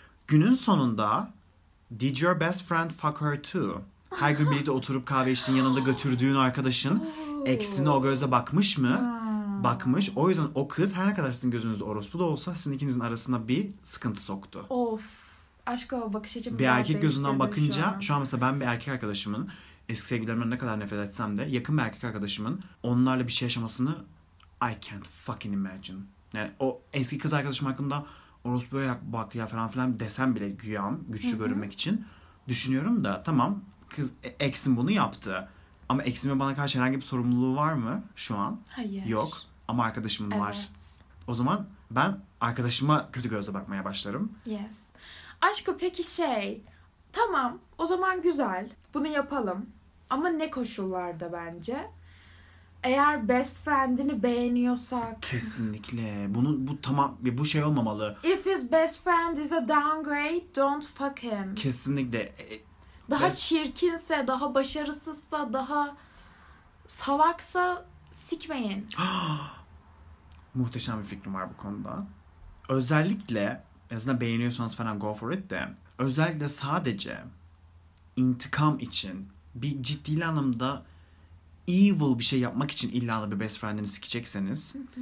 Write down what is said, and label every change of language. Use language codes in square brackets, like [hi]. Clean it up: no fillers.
[tr] Günün sonunda [en] did your best friend fuck her too? [tr] Her gün birlikte oturup kahve içtiğin yanında götürdüğün arkadaşın eksine o gözle bakmış mı? Bakmış. O yüzden o kız her ne kadar sizin gözünüzde orospu da olsa sizin ikinizin arasına bir sıkıntı soktu. Of. Aşk o bakış açımı. Bir erkek gözünden bakınca şu an mesela ben bir erkek arkadaşımın eski sevgililerime ne kadar nefret etsem de yakın bir erkek arkadaşımın onlarla bir şey yaşamasını [en] I can't fucking imagine. [tr] Yani o eski kız arkadaşım hakkında orospuya bak ya falan filan desem bile güyam güçlü görünmek için düşünüyorum da tamam kız ex'im bunu yaptı ama ex'imin bana karşı herhangi bir sorumluluğu var mı şu an? Hayır. Yok ama arkadaşımın evet. var. O zaman ben arkadaşıma kötü gözle bakmaya başlarım. [en] Yes. [tr] Aşkı peki şey, tamam o zaman güzel bunu yapalım ama ne koşullarda bence? Eğer best friend'ini beğeniyorsak. Kesinlikle. Bu tamam, bu şey olmamalı. [en] If his best friend is a downgrade, don't fuck him. [tr] Kesinlikle. Daha çirkinse, daha başarısızsa, daha salaksa sikmeyin. Muhteşem bir fikrim var bu konuda. Özellikle... En azından beğeniyorsanız falan [en] go for it [tr] de. Özellikle sadece intikam için bir ciddi anlamda evil bir şey yapmak için illa da bir best friend'ini sikecekseniz.